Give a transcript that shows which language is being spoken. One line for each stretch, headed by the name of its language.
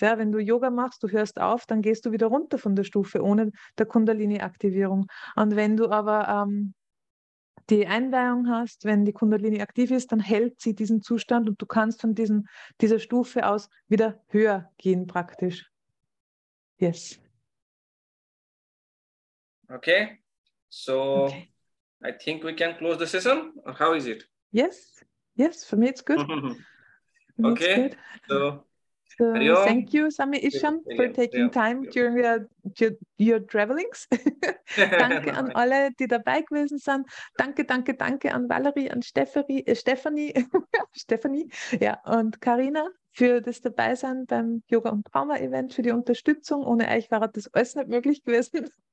German: Ja, wenn du Yoga machst, du hörst auf, dann gehst du wieder runter von der Stufe ohne der Kundalini-Aktivierung. Und wenn du aber die Einweihung hast, wenn die Kundalini aktiv ist, dann hält sie diesen Zustand und du kannst von dieser Stufe aus wieder höher gehen praktisch.
English: Yes. Okay. So, okay. I think we can close the session. Or how is it? Yes. Yes, for me it's good. Okay, so thank you, Sami Isham, for taking time during your travelings.
German: Danke an alle, die dabei gewesen sind. Danke, danke, danke an Valerie, an Stephanie, ja, und Karina für das Dabeisein beim Yoga und Trauma Event, für die Unterstützung. Ohne euch wäre das alles nicht möglich gewesen.